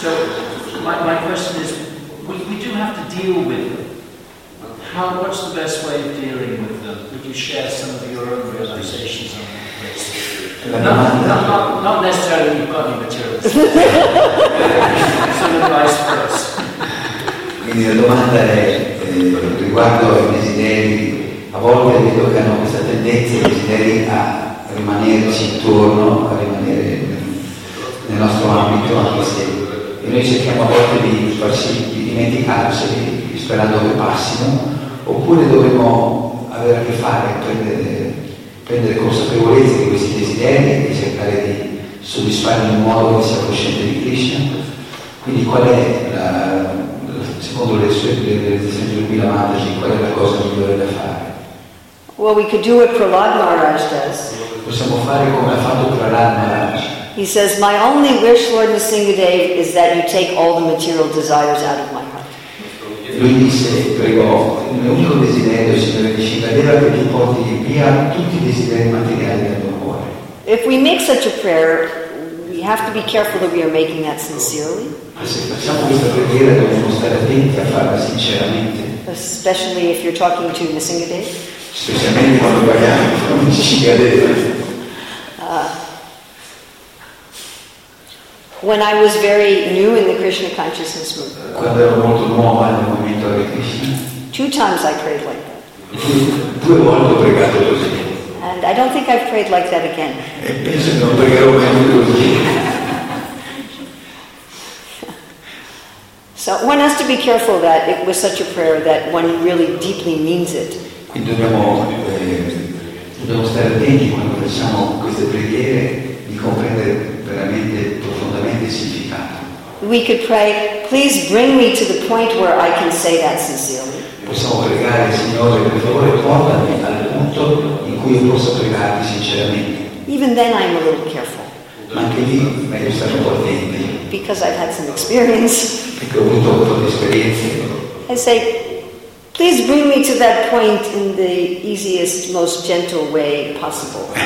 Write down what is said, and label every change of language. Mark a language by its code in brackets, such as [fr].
[en] So my question is, we do have to deal with them. What's the best way of dealing with them? Would you share some of your own realizations on that, please? Not necessarily you've got any materials. Some advice for us. [it] Quindi la domanda è riguardo ai desideri. A volte vedo che hanno questa tendenza i desideri a rimanerci intorno, a rimanere nel nostro ambito, anche se e noi cerchiamo a volte di farci di dimenticarci sperando che passino, oppure dovremmo avere a che fare e prendere consapevolezza di questi desideri e cercare di soddisfarli in un modo che sia cosciente di Krishna. Quindi qual è secondo le sue realizzazioni di qual è la cosa migliore da fare? [en] Well, we could do what Prahlad Maharaj does. [it] Possiamo fare come ha fatto Prahlad Maharaj. [en] He says, my only wish, Lord Nisingadev, is that you take all the material desires out of my heart. [it] Lui disse, prego, il mio unico desiderio, Signore Nisingadev, è che tu porti via tutti i desideri materiali del tuo cuore. [en] If we make such a prayer, we have to be careful that we are making that sincerely. [it] Se facciamo questa preghiera dobbiamo stare attenti a farla sinceramente. [en] Especially if you're talking to Nisingadev. [it] Specialmente quando parliamo con Nisingadev. [en] When I was very new in the Krishna consciousness movement. [it] Quando ero molto nuovo nel movimento di Krishna. [en] 2 times I prayed like that. [it] 2 volte ho pregato così. [en] And I don't think I've prayed like that again. [it] E penso non pregherò mai così. [en] So one has to be careful that it was such a prayer that one really deeply means it. [it] Quindi dobbiamo stare attenti quando facciamo queste preghiere di comprendere veramente profondamente il significato. [en] We could pray, please bring me to the point where I can say that sincerely. [it] Possiamo pregare, Signore, per favore portami al punto in cui io possa pregarti sinceramente. [en] Even then I'm a little careful. [it] Ma anche lì meglio stare un po' attenti. [en] Because I've had some experience. I say, please bring me to that point in the easiest, most gentle way possible.